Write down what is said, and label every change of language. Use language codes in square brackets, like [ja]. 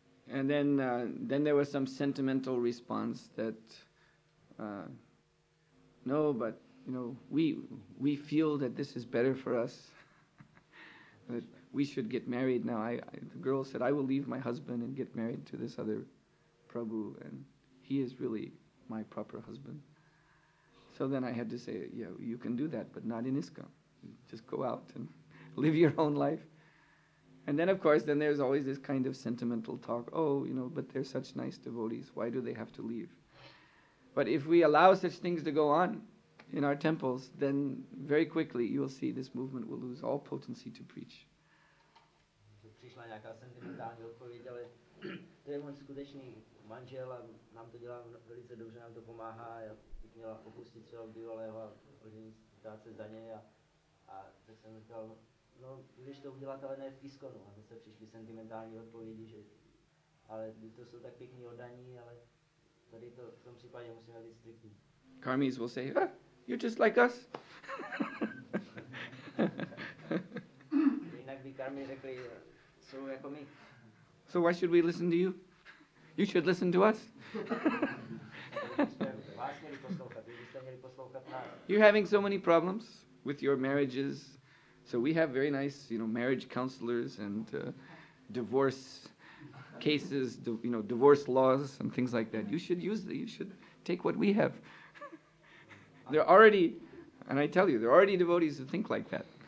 [en] And then there was some sentimental response that we feel that this is better for us, that we should get married now. I, the girl said, I will leave my husband and get married to this other Prabhu, and he is really my proper husband. So then I had to say, yeah, you can do that, but not in ISKCON. Just go out and live your own life. And then, of course, then there's always this kind of sentimental talk. Oh, you know, but they're such nice devotees. Why do they have to leave? But if we allow such things to go on in our temples, then very quickly you will see this movement will lose all potency to preach. [cs] Přišla nějaká sentimentální odpověď, ale to je můj skutečný manžel a nám to dělá velice dobře, nám to pomáhá. Já bych měla opustit svého bývalého a oženit se za něj. A tak jsem říkal, no můžeš to udělat, ale ne v ISKCONu. A zase přišly sentimentální odpovědi, že ale to jsou tak pěkný oddaní, ale tady to, v tom případě musíme být striktní. [en] Karmis will say, ah, you're just like us. [cs] Jinak by karmi řekli, jsou jako my. [en] So why should we listen to you? You should listen to us. [cs] Vás měli poslouchat, vy byste měli poslouchat nás. [en] You're having so many problems. with your marriages. So we have very nice, you know, marriage counselors and divorce cases, you know, divorce laws and things like that. You should use, you should take what we have. They're already, and I tell you, they're already devotees who think like that.